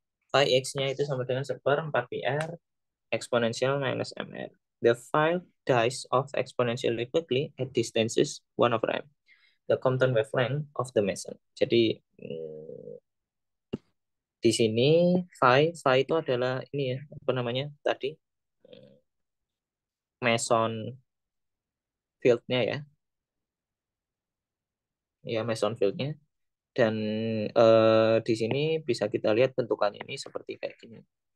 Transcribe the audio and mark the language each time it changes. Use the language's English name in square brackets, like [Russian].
[Indonesian] Pi x-nya itu sama dengan 1/4 PR eksponensial minus MR. [English] The file dies off exponentially quickly at distances 1 over m, the Compton wavelength of the meson. [Indonesian] Jadi di sini phi itu adalah ini ya, apa namanya tadi, meson fieldnya ya, ya meson fieldnya, dan di sini bisa kita lihat bentukannya ini seperti kayak gini.